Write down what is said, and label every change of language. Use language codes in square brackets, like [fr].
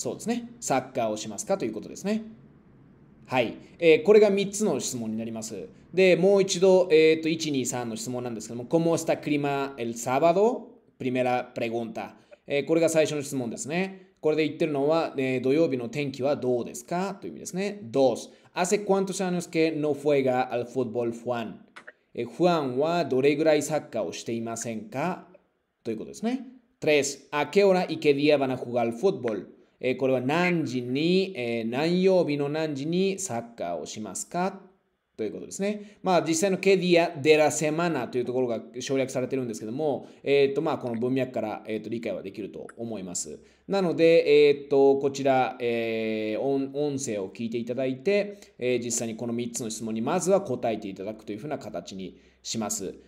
[ja] そうですね、サッカーをしますかということですね。はい、これが3つの質問になります。で、もう一度、1、2、3の質問なんですけども、 [es] ¿Cómo está clima el sábado? Primera pregunta。 [ja] これが最初の質問ですね。これで言ってるのは、土曜日の天気はどうですかという意味ですね。 [es] Dos. ¿Hace cuántos años que no juega al fútbol, Juan? [ja] Juan はどれぐらいサッカーをしていませんかということですね。 [es] Tres. ¿A qué hora y qué día van a jugar al fútbol? [ja] これは何時に、何曜日の何時にサッカーをしますかということですね。まあ実際のケディアデラセマナというところが省略されてるんですけども、この文脈から、理解はできると思います。なので、こちら、音声を聞いていただいて、実際にこの3つの質問にまずは答えていただくというふうな形にします。